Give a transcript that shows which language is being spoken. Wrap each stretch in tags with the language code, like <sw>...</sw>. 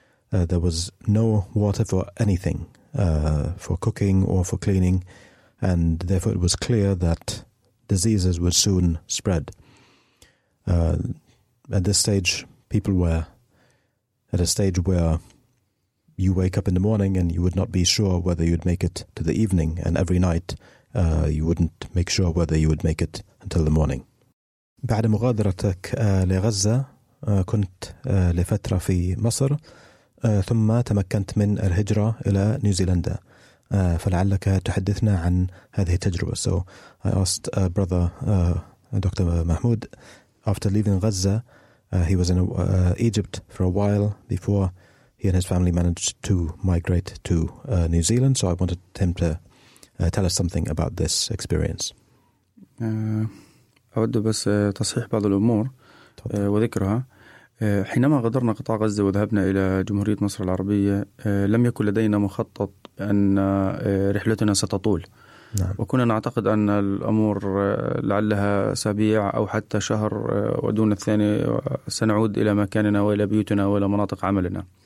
<en>There was no water for anything, for cooking or for cleaning, and therefore it was clear that diseases would soon spread. At this stage, people were at a stage where you wake up in the morning and you would not be sure whether you'd make it to the evening, and every night you wouldn't make sure whether you would make it until the morning.</en> <ar>بعد مغادرتك لغزة كنت لفترة في مصر ثم تمكنت من الهجرة إلى نيوزيلندا. فلعلك تحدثنا عن هذه التجربة.</ar> <en>So I asked brother Dr. Mahmoud, after leaving Gaza, he was in Egypt for a while before he and his family managed to migrate to New Zealand. So I wanted him to tell us something about this experience.</en> <ar>أود بس تصحيح بعض الأمور وذكرها. حينما غادرنا قطاع غزة وذهبنا إلى جمهورية مصر العربية لم يكن لدينا مخطط أن رحلتنا ستطول. نعم. وكنا نعتقد أن الأمور لعلها أسابيع أو حتى شهر ودون الثاني سنعود إلى مكاننا وإلى بيوتنا وإلى مناطق عملنا.</ar>